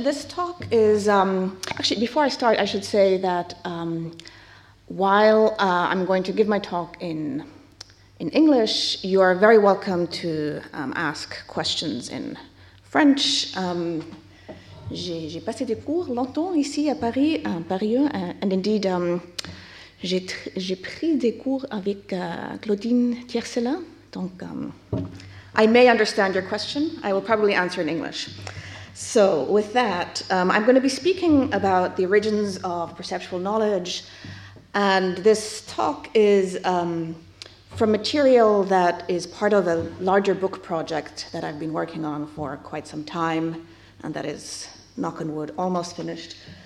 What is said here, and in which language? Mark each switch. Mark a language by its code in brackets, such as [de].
[en] This talk is, actually, before I start, I should say that while I'm going to give my talk in English, you are very welcome to ask questions in French. [fr] J'ai passé des cours longtemps ici à Paris, [en] and indeed, [fr] j'ai pris des cours avec Claudine Tiercelin. [en] Donc, I may understand your question. I will probably answer in English. So with that, I'm going to be speaking about the origins of perceptual knowledge, and this talk is from material that is part of a larger book project that I've been working on for quite some time, and that is, knock on wood, almost finished.